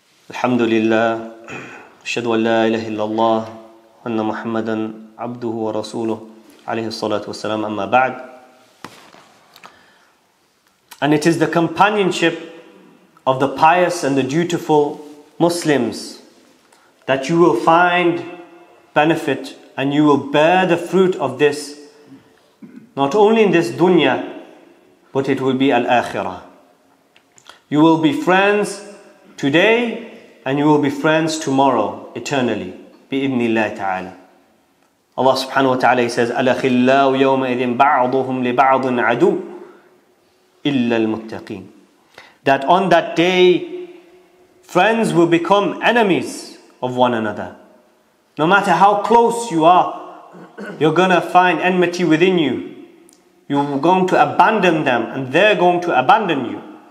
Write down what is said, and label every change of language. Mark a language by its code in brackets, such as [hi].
[ar] الحمد لله أشهد أن لا إله إلا الله وأن محمدا عبده ورسوله عليه الصلاة والسلام أما بعد. [en] And it is the companionship of the pious and the dutiful Muslims that you will find benefit, and you will bear the fruit of this, not only in this dunya, but it will be al-akhirah. You will be friends today and you will be friends tomorrow, eternally, [ar] بِإِذْنِ اللَّهِ تَعَالَى. Allah subhanahu wa ta'ala [en] says, [ar] أَلَخِلَّاهُ يَوْمَئِذٍ بَعْضُهُمْ لِبَعْضٍ عَدُوٍ إِلَّا الْمُتَّقِينَ. [en] That on that day, friends will become enemies of one another. No matter how close you are, you're going to find enmity within you. You're going to abandon them and they're going to abandon you.